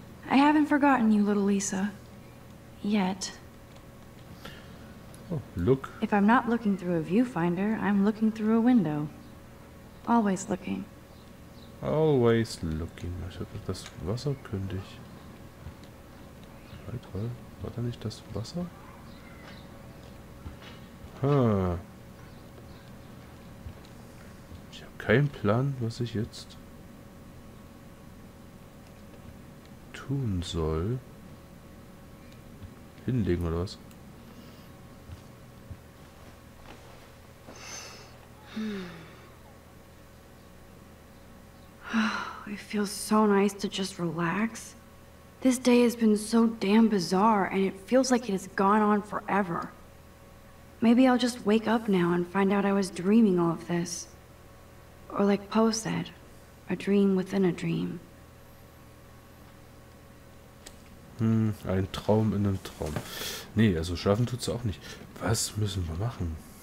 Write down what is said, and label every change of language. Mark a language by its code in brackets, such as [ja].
[en] I haven't forgotten you, little Lisa. Yet. Look. If I'm not looking through a viewfinder, I'm looking through a window. Always looking. Always looking. [de] Ich hab das Wasser kündig. War da nicht das Wasser? Ich habe keinen Plan, was ich jetzt tun soll. Hinlegen oder was? [en] It feels so nice to just relax. This day has been so damn bizarre and it feels like it has gone on forever. Maybe I'll just wake up now and find out I was dreaming all of this. Or like Poe said, a dream within a dream. [de] Ein Traum in einem Traum. Nee, also schlafen tut's auch nicht. Was müssen wir machen?